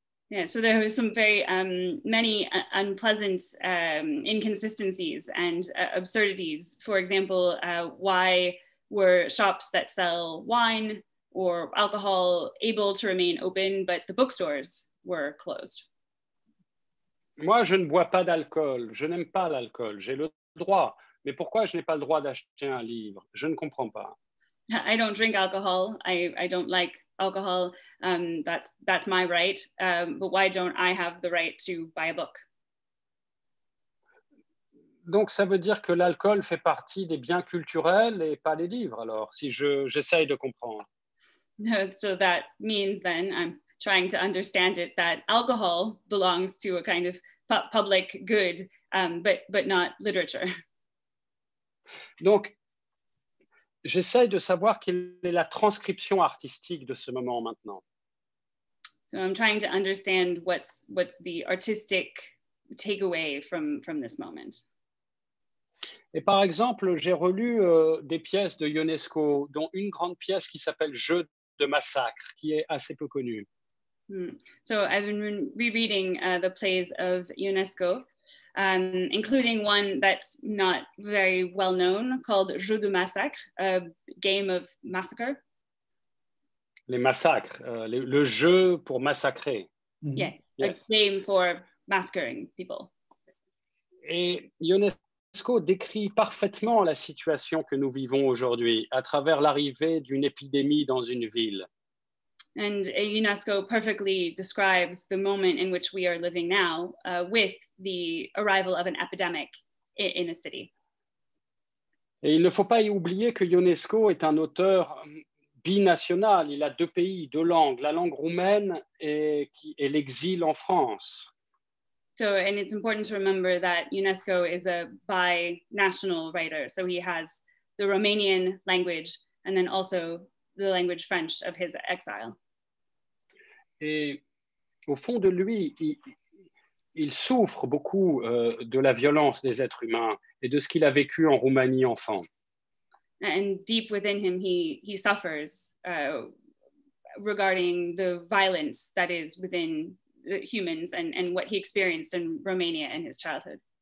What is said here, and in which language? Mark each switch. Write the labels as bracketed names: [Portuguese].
[English] Yeah, so there were some very many unpleasant inconsistencies and absurdities. For example, why were shops that sell wine or alcohol able to remain open, but the bookstores were closed? [French] Moi, je ne bois pas d'alcool. Je n'aime pas l'alcool. J'ai le droit. Mais pourquoi je n'ai pas le droit d'acheter un livre? Je ne comprends pas. [English] I don't drink alcohol. I don't like alcohol. That's my right. But why don't I have the right to buy a book? [French] Donc, ça veut dire que l'alcool fait partie des biens culturels et pas des livres, alors, si j'essaye de comprendre. [English] So that means then, I'm trying to understand it, that alcohol belongs to a kind of public good, but not literature. [French] Donc, j'essaie de savoir quelle est la transcription artistique de ce moment maintenant. [English] So I'm trying to understand what's the artistic takeaway from this moment. [French] Et par exemple, j'ai relu des pièces de Ionesco, dont une grande pièce qui s'appelle Jeu de massacre, qui est assez peu connue. [English] So I've been rereading the plays of Ionesco, including one that's not very well known, called Jeu de massacre, a game of massacre. [French] Les massacres, le jeu pour massacrer. [English] Mm-hmm. Yeah, yes. A game for massacring people. [French] Et Ionesco décrit parfaitement la situation que nous vivons aujourd'hui à travers l'arrivée d'une épidémie dans une ville. [English] And Ionesco perfectly describes the moment in which we are living now with the arrival of an epidemic in a city. [French] Et il ne faut pas y oublier que Ionesco est un auteur binational. Il a deux pays, deux langues, la langue roumaine et l'exil en France. [English] So, and it's important to remember that Ionesco is a binational writer. So he has the Romanian language and then also the language French of his exile. [French] Et au fond de lui, il souffre beaucoup de la violence des êtres humains et de ce qu'il a vécu en Roumanie enfant. [English] And deep within him, he suffers regarding the violence that is within the humans and what he experienced in Romania in his childhood.